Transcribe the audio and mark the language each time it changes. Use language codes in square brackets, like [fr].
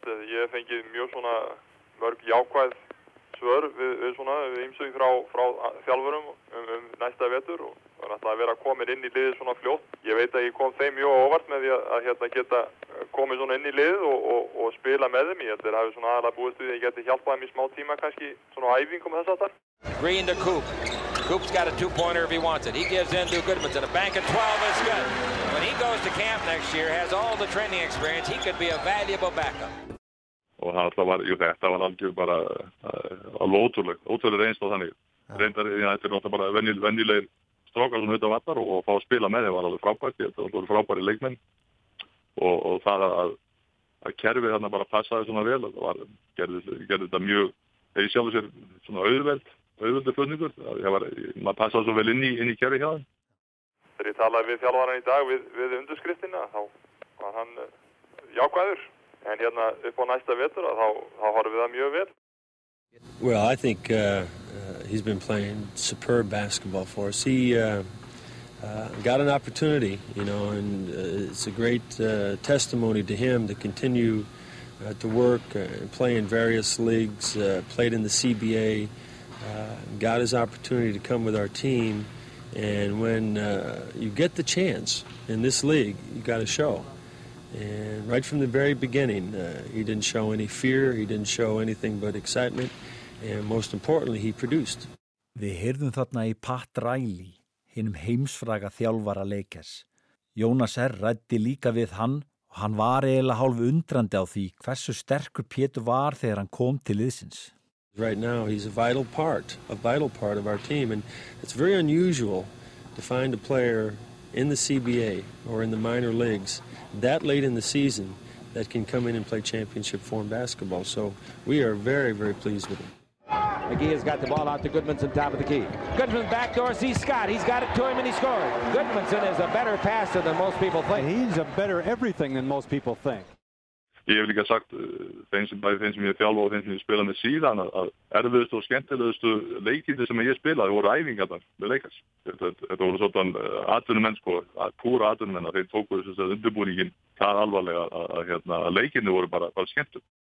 [is] Ég fengið mjög svona mörg jákvæð svör við ýmsum frá þjálfurum um næsta vetur og var alltaf að vera komin inn í liðið svona fljótt. Ég veit að ég kom þeim mjög óvart með því að hérna geta komið svona inn í liðið og spila með þeim. Ég held þeir hafi svona aðalega búist við því að ég geti hjálpað þeim í smá tíma kannski svona á æfingum þess að þar. [en] Green to Coop. Coop's got a 2-pointer if he wants it. He gives in to Goodmanson. A bank of 12 is good. When he goes to camp next year, has all the training experience, he could be a valuable backup. [is] Og það alltaf var, jú þetta var algjör bara alveg ótrúleg reynsla þannig. Reyndar, þetta er náttúrulega bara venjulegir strókar svona auðvitað vatnar og fá að spila með þeim var alveg frábært, þetta var alveg frábæri leikmenn. Og það að kerfið þarna bara passaði svona vel, það var, gerði þetta mjög, þegar ég sjálfur sér svona auðveldi flutningur, maður passaði svo vel inn í kerfið hjá þeim. Þegar ég talaði við þjálfarann í dag við undurskriftina, þá var hann jákvæður. En hérna upp á næsta vetur þá horfum við það mjög vel. [en] Well, I think he's been playing superb basketball for us. He got an opportunity, you know, and it's a great testimony to him to continue to work and play in various leagues, played in the CBA, got his opportunity to come with our team, and when you get the chance in this league, you got to show. And right from the very beginning, he didn't show any fear, he didn't show anything but excitement, and most importantly, he produced. [is] Við heyrðum þarna í Pat Riley, hinum heimsfræga þjálfara Lakers. Jónas R. ræddi líka við hann og hann var eiginlega hálf undrandi á því hversu sterkur Pétur var þegar hann kom til liðsins. [en] Right now, he's a vital part of our team, and it's very unusual to find a player in the CBA or in the minor leagues that late in the season that can come in and play championship form basketball. So we are very, very pleased with him. McGee has got the ball out to Goodmanson, top of the key. Goodmanson backdoor sees Scott. He's got it to him and he scores. Goodmanson is a better passer than most people think. He's a better everything than most people think. [is] Ég hef líka sagt bæði þeim sem ég þjálfa og þeim sem ég spila með síðan að erfiðustu og skemmtilegustu leikindi sem ég spila voru æfingarnar með leikars. Þetta voru svolítan atvinnumenn, sko, púra atvinnumenn að þeir tóku þess að undirbúningin það alvarlega að leikindi voru bara skemmtileg.